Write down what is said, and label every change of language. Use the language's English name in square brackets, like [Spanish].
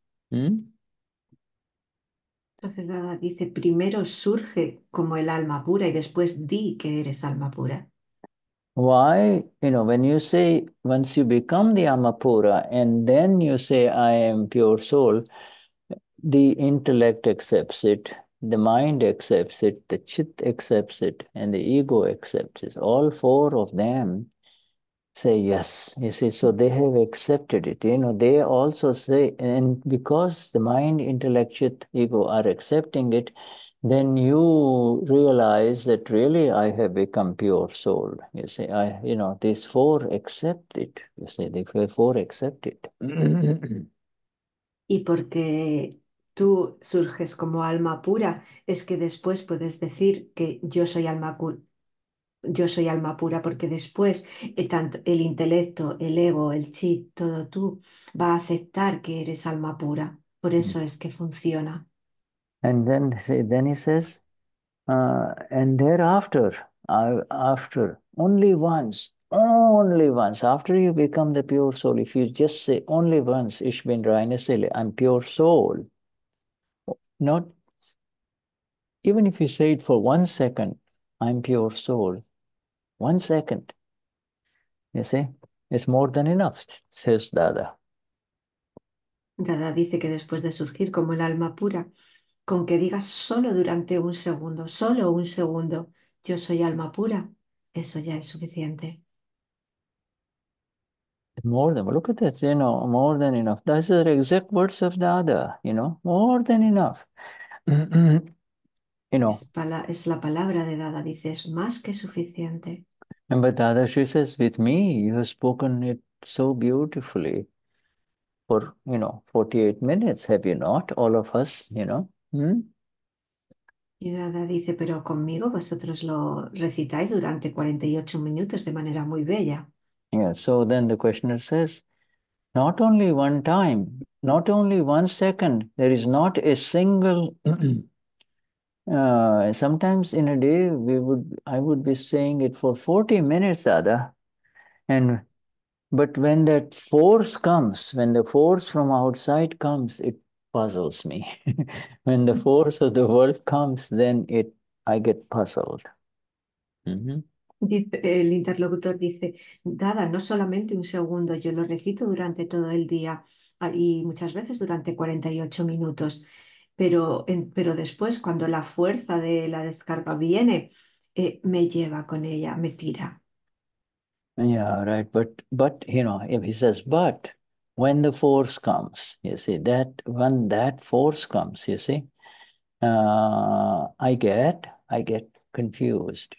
[Spanish] Entonces Dada dice, primero surge como el alma pura y después di que eres alma pura. [English] Why, when you say once you become the Amapura and then you say I am pure soul, the intellect accepts it. The mind accepts it, the chit accepts it, and the ego accepts it. All four of them say yes. You see, so they have accepted it. They also say, and because the mind, intellect, chit, ego are accepting it, then you realize that really I have become pure soul. You see, these four accept it. You see, the four accept it. [Spanish] Y porque tú surges como alma pura, es que después puedes decir que yo soy alma pura, porque después tanto el intelecto, el ego, el chi, todo tú va a aceptar que eres alma pura. Por eso es que funciona. [English] And then he says, and thereafter, after only once, after you become the pure soul, if you just say only once, Ishbin I'm pure soul. Not even if you say it for 1 second, I'm pure soul. 1 second. You see, it's more than enough, says Dada. [Spanish] Dada dice que después de surgir como el alma pura, con que digas solo durante un segundo, solo un segundo, yo soy alma pura, eso ya es suficiente. [English] More than, look at this, more than enough. These are exact words of Dada, more than enough. [Spanish] Es la palabra de Dada, dice, es más que suficiente. [English] And but Dada, she says, with me, you have spoken it so beautifully for, 48 minutes, have you not? All of us, [Spanish] Y Dada dice, pero conmigo vosotros lo recitáis durante 48 minutos de manera muy bella. [English] So then the questioner says, not only one time, not only 1 second, there is not a single sometimes in a day I would be saying it for 40 minutes, Dada. And but when that force comes, when the force from outside comes, it puzzles me. When the force of the world comes, then I get puzzled. [Spanish] Dice, el interlocutor dice, Dada, no solamente un segundo, yo lo recito durante todo el día y muchas veces durante 48 minutos, pero después cuando la fuerza de la descarga viene, me lleva con ella, me tira. [English] Yeah, right. But if he says, but when the force comes, you see, that when that force comes, you see, I get confused.